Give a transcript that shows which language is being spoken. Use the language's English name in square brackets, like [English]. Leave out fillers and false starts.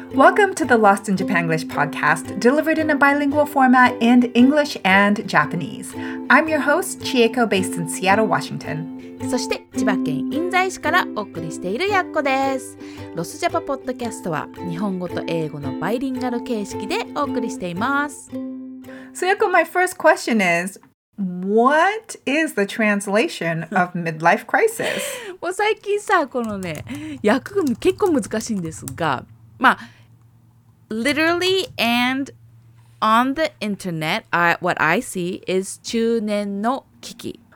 [English] Welcome to the Lost in Japanglish podcast, delivered in a bilingual format in English and Japanese. I'm your host, Chieko, based in Seattle, Washington. [Japanese] そして千葉県印西市からお送りしているやっこです。ロスジャパポッドキャストは日本語と英語のバイリンガル形式でお送りしています。 [English] So, Yako, my first question is,What is the translation of midlife crisis? [Japanese] もう最近さ、このね、訳が結構難しいんですが、まあ、 [English] literally and on the internet, what I see is [Japanese] 中年の危機。